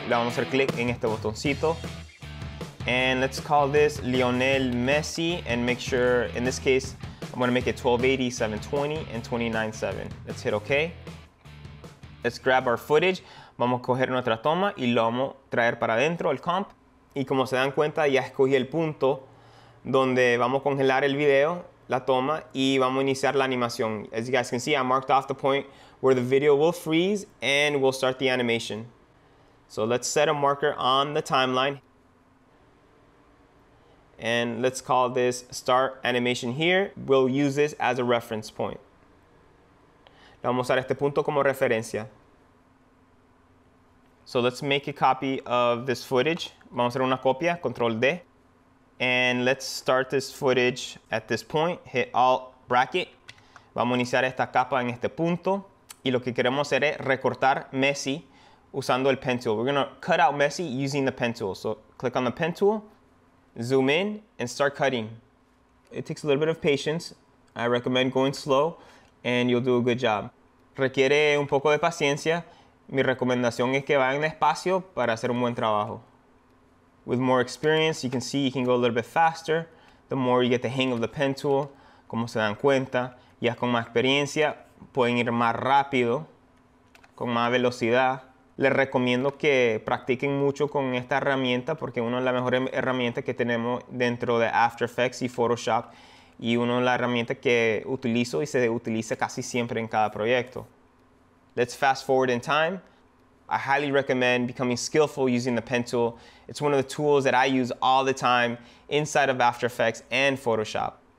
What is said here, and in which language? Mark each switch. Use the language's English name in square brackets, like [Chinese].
[Spanish] Le vamos a hacer clic en este botoncito. [English] And let's call this Lionel Messi and make sure, in this case, I'm gonna make it 1280, 720, and 29.7. Let's hit OK. Let's grab our footage. [Spanish] Vamos a coger nuestra toma y lo vamos a traer para adentro, el comp. Y como se dan cuenta, ya escogí el punto donde vamos a congelar el video, la toma, y vamos a iniciar la animación. [English] As you guys can see, I marked off the point where the video will freeze and we'll start the animation. So let's set a marker on the timeline. And let's call this start animation here. We'll use this as a reference point. [Spanish] Le vamos a usar este punto como referencia. [English] So let's make a copy of this footage. [Spanish] Vamos a hacer una copia, control D. [English] And let's start this footage at this point. Hit Alt bracket. [Spanish] Vamos a iniciar esta capa en este punto. Y lo que queremos hacer es recortar Messi usando el pen tool. [English] We're gonna cut out Messi using the pen tool. So click on the pen tool, zoom in, and start cutting. It takes a little bit of patience. I recommend going slow, and you'll do a good job. [Spanish] Requiere un poco de paciencia. Mi recomendación es que vayan despacio para hacer un buen trabajo. [English] With more experience, you can see you can go a little bit faster. The more you get the hang of the pen tool, [Spanish] como se dan cuenta, ya con más experiencia, pueden ir más rápido, con más velocidad. Les recomiendo que practiquen mucho con esta herramienta porque una de las mejores herramientas que tenemos dentro de After Effects y Photoshop y una de las herramientas que utilizo y se utiliza casi siempre en cada proyecto. [English] Let's fast forward in time. I highly recommend becoming skillful using the pen tool. It's one of the tools that I use all the time inside of After Effects and Photoshop.